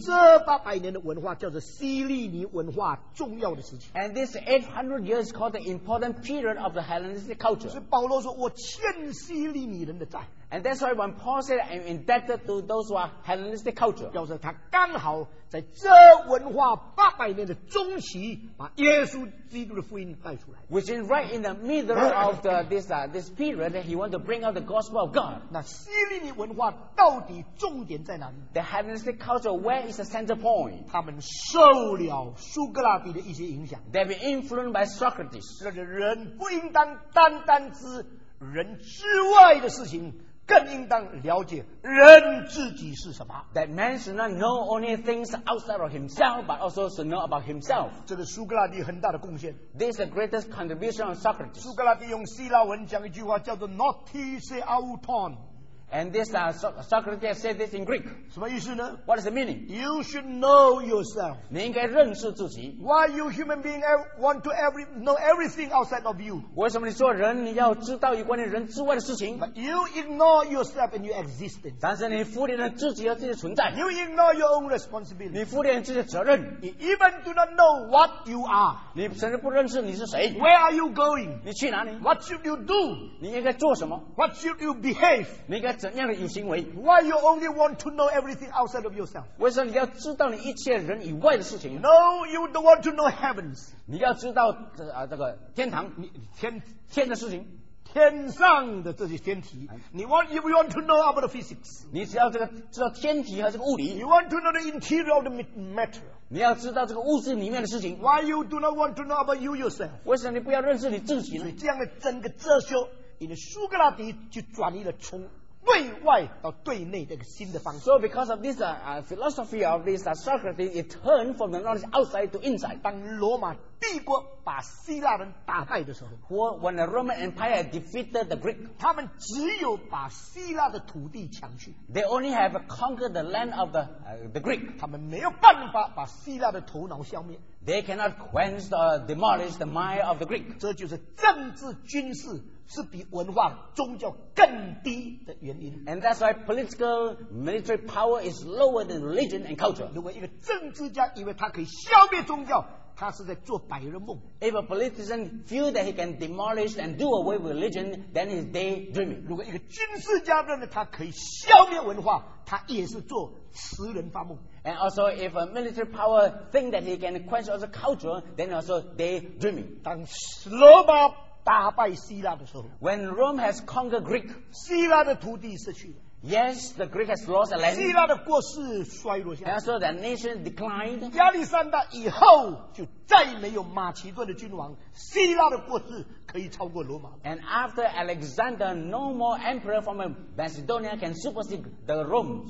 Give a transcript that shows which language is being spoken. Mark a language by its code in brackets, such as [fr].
[zh] 这八百年的文化叫做希利尼文化重要的时期。 [en] And this 800 years called the important period of the Hellenistic culture. [zh] 所以保罗说我欠希利尼人的债。 [en] And that's why when Paul said I'm indebted to those who are Hellenistic culture. [zh] 表示他刚好在这文化八百年的中期把耶稣基督的福音带出来。 [en] Which is right in the middle of this period that he wants to bring out the gospel of God. [zh] 那希利尼文化到底重点在哪里 [en] ？The Hellenistic culture, where is the center point? [zh] 他们受了苏格拉底的一些影响。 [en] They've been influenced by Socrates. [zh] 那个人不应当单单知人之外的事情。更应当了解人自己是什么。 [en] That man should not know only things outside of himself, but also should know about himself. [zh] 这是苏格拉底很大的贡献。 [en] This is the greatest contribution of Socrates. [zh] 苏格拉底用希腊文讲一句话叫做 [el] "Noti se auton." [en] And this Socrates said this in Greek. [zh] 什么意思呢 [en] ？What is the meaning? You should know yourself. [zh] 你应该认识自己。 [en] Why you human being want to know everything outside of you? [zh] 为什么你说人你要知道有关于人之外的事情 [en] ？But you ignore yourself and your existence. [zh] 但是你忽略了自己和自己的存在。 [en] You ignore your own responsibility. [zh] 你忽略了自己的责任。 [en] You even do not know what you are. [zh] 你甚至不认识你是谁。 [en] Where are you going? [zh] 你去哪里 [en] ？What should you do? [zh] 你应该做什么 [en] ？What should you behave? [zh] 你应该怎样的有行为。 [en] Why you only want to know everything outside of yourself? [zh] 为什么你要知道你一切人以外的事情？ [en] No, you don't want to know heavens. [zh] 你要知道这个天堂，天的事情。天上的这些天体，你 [en] want to know about the physics? [zh] 你只要这个知道天体和这个物理。 [en] You want to know the interior of the matter? [zh] 你要知道这个物质里面的事情。 [en] Why you do not want to know about you yourself? [zh] 为什么你不要认识你自己呢？所以这样的整个哲学，你的苏格拉底就转移了从对外到对内这个新的方向。 [en] So because of this philosophy of this Socrates, it turned from the knowledge outside to inside. [zh] 当罗马帝国把希腊人打败的时候 [en] ，When the Roman Empire defeated the Greek, [zh] 他们只有把希腊的土地抢去。 [en] They only have conquered the land of the Greek. [zh] 他们没有办法把希腊的头脑消灭。 [en] They cannot quench or demolish the mind of the Greek. [zh] 这就是政治军事是比文化宗教更低的原因。 [en] And that's why political military power is lower than religion and culture. [zh] 如果一个政治家以为他可以消灭宗教，他是在做白日梦。 [en] If a politician feels that he can demolish and do away with religion, then he's daydreaming. [zh] 如果一个军事家认为他可以消灭文化，他也是做痴人发梦。 [en] And also, if a military power thinks that he can quench all the culture, then also daydreaming. [zh] 当罗马打败希腊的时候 [en] ，When Rome has conquered Greek, [zh] 希腊的土地失去了。 [en] Yes, the Greek has lost the land. [zh] 希腊的国势衰落下来。 [en] And so the nation declined. [zh] 亚历山大以后就再没有马其顿的君王，希腊的国势可以超过罗马。 [en] And after Alexander, no more emperor from Macedonia can supersede the Rome.